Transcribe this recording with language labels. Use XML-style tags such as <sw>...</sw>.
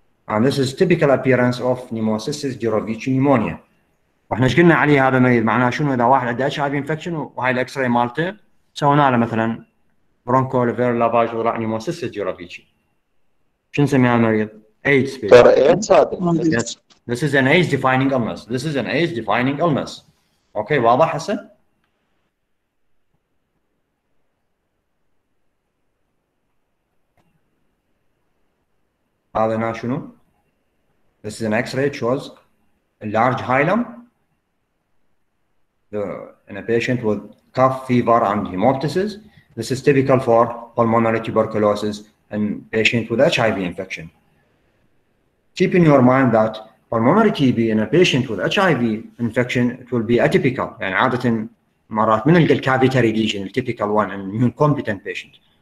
<en>And this is typical appearance of pneumocystis jirovici pneumonia.</en> <ar>واحنا ايش قلنا عليه هذا المريض معناه شنو اذا واحد عنده</ar> <en>HIV infection</en> <ar>وهاي الاكس-راي مالته سوينا له مثلا برونكو ليفر لافاج وراء pneumocystis jirovici. شو نسمي هذا المريض؟ AIDS.</ar> <en>This is an AIDS defining illness. This is an AIDS defining illness. Okay,</en> <ar>واضح حسن؟ هذا شنو؟</ar> <en>This is an X-ray shows a large hilum in a patient with cough, fever, and hemoptysis. This is typical for pulmonary tuberculosis in patient with HIV infection. Keep in your mind that pulmonary TB in a patient with HIV infection it will be atypical.</en> <ar>يعني عادة مرات من الكافيتري ليجن</ar> <en>the typical one in immune competent patient.</en>